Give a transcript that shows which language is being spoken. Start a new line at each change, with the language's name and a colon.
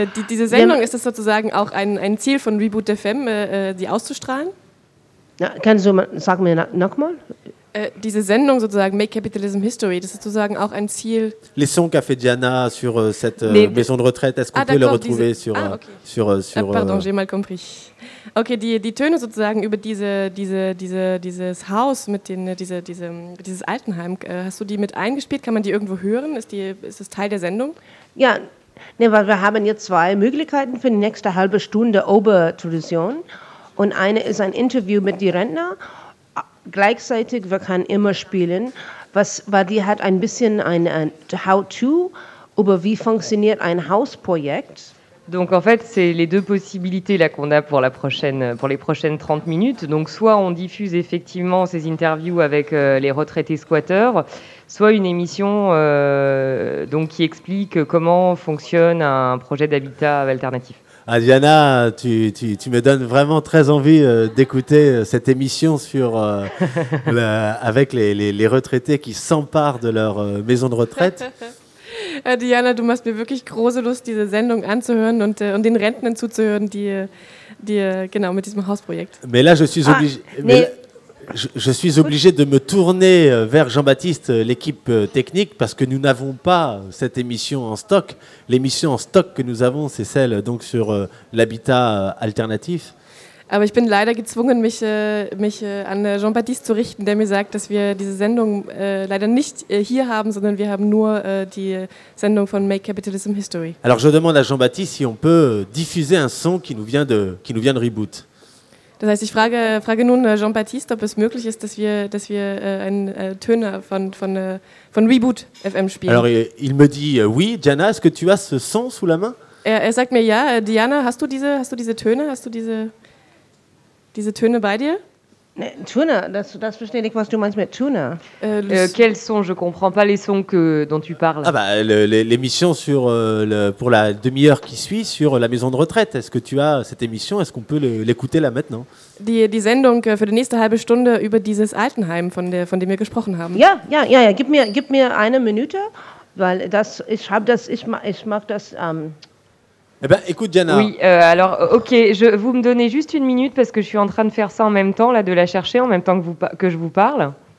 German: diese Sendung, ist das sozusagen auch ein Ziel von Reboot FM, die auszustrahlen? Ja, kannst du sagen mir nochmal? Diese Sendung sozusagen, Make Capitalism History, das ist sozusagen auch ein Ziel.
French: Les sons qu'a fait Diana sur cette maison de retraite, est-ce qu'on peut le retrouver sur. Pardon, j'ai mal compris.
German: Okay, die Töne sozusagen über dieses Haus mit dieses Altenheim, hast du die mit eingespielt? Kann man die irgendwo hören? Ist das Teil der Sendung? Ja, nee, weil wir haben jetzt zwei Möglichkeiten für die nächste halbe Stunde Obertradition. Und eine ist ein Interview mit den Rentner. Gleichzeitig, wir können immer spielen, weil die hat ein bisschen ein How-To über wie funktioniert ein Hausprojekt.
French: Donc en fait, c'est les deux possibilités là qu'on a pour les prochaines 30 minutes. Donc soit on diffuse effectivement ces interviews avec les retraités squatteurs, soit une émission donc qui explique comment fonctionne un projet d'habitat alternatif. Ah, Diana, tu me donnes vraiment très envie d'écouter cette émission sur avec les retraités qui s'emparent de leur maison de retraite.
German: Diana, du machst mir wirklich große Lust, diese Sendung anzuhören und den Rentnern zuzuhören, die genau mit diesem Hausprojekt.
French: Mais là, je suis obligé de me tourner vers Jean-Baptiste, l'équipe technique, parce que nous n'avons pas cette émission en stock. L'émission en stock que nous avons, c'est celle donc sur l'habitat alternatif.
German: Aber ich bin leider gezwungen, mich an Jean-Baptiste zu richten, der mir sagt, dass wir diese Sendung leider nicht hier haben, sondern wir haben nur die Sendung von Make Capitalism History.
French: Alors je demande à Jean-Baptiste si on peut diffuser un son qui nous vient de Reboot.
German: Das heißt, ich frage nun Jean-Baptiste, ob es möglich ist, dass wir einen Töne von Reboot FM spielen.
French: Alors il me dit oui, Diana, est-ce que tu as ce son sous la main?
German: Er sagt mir ja, Diana, hast du diese Töne bei dir? Nee, Töne, das verstehe ich nicht, was du meinst mit Töne.
French: Quels sons? Je comprends pas les sons dont tu parles. Ah bah, l'émission pour la demi-heure qui suit sur la maison de retraite. Est-ce que tu as cette émission? Est-ce qu'on peut l'écouter là maintenant?
German: Die Sendung für die nächste halbe Stunde über dieses Altenheim, von dem wir gesprochen haben. Ja, ja, ja, ja. Gib mir eine Minute, weil das, ich mache das...
French: Eh bien, écoute, Diana. Oui, alors, ok, vous me donnez juste une minute parce que je suis en train de faire ça en même temps, là, de la chercher en même temps que je vous parle.